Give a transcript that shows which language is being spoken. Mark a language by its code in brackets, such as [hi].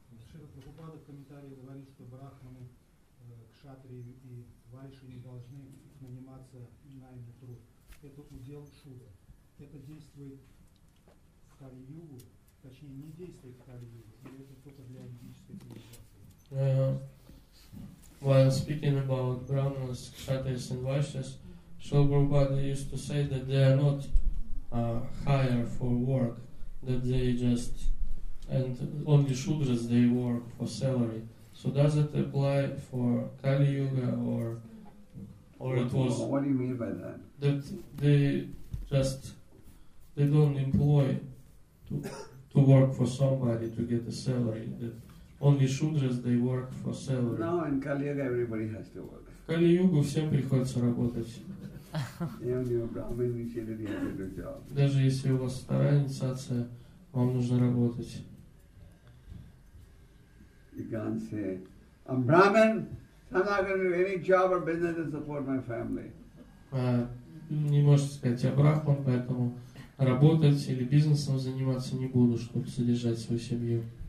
[ru] Шрила Прабхупада в комментариях говорит, что брахманы, кшатри и вайши не должны наниматься на этот труд. Это удел шуда. Это действует в Кали-Югу, точнее не действует в Кали-Югу, или это только для индийской цивилизации? [en] While speaking about Brahmanas, Kshatriyas and Vaishyas, Srila Prabhupada used to say that they are not hired for work, that they just, and only Shudras they work for salary. So does it apply for Kali-Yuga or What do you mean by that? That they don't employ to work for somebody to get a salary. That only Shudras they work for salary. No, in Kali Yuga everybody has to work. [ru] Kali Yuga всем приходится работать. [en] Even if you are Brahmin, you should have a good job. [ru] Даже если у вас вторая инициация, вам нужно работать. [en] You can't say, I'm Brahmin. I'm not going to do any job or business to support my family. [ru] Не можете сказать, я брахман, поэтому работать или бизнесом заниматься не буду, чтобы содержать свою семью.